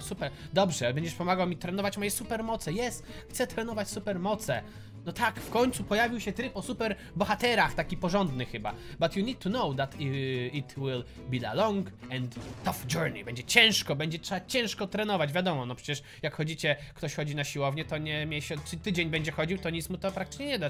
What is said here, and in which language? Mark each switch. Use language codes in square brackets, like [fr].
[pl] Super, dobrze, będziesz pomagał mi trenować moje supermoce. Yes, chcę trenować supermoce. No tak, w końcu pojawił się tryb o super bohaterach, taki porządny chyba. [en] But you need to know that it will be a long and tough journey. [pl] Będzie ciężko, będzie trzeba ciężko trenować, wiadomo, no przecież jak chodzicie, ktoś chodzi na siłownię, to nie miesiąc, tydzień będzie chodził, to nic mu to praktycznie nie da.